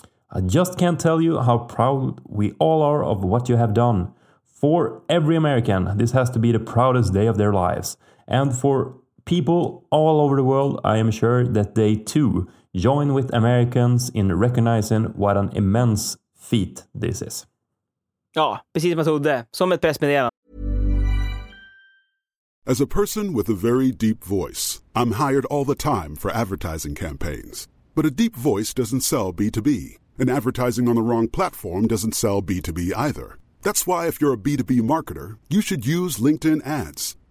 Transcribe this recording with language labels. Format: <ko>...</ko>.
<en>I just can't tell you how proud we all are of what you have done. For every American, this has to be the proudest day of their lives. And for people all over the world, I am sure that they too join with Americans in recognizing what an immense feat this is.</en> <sv>Ja, precis som jag trodde. Som ett pressmeddelande.</sv> <en>As a person with a very deep voice, I'm hired all the time for advertising campaigns. But a deep voice doesn't sell B2B. And advertising on the wrong platform doesn't sell B2B either. That's why if you're a B2B marketer, you should use LinkedIn ads.</en>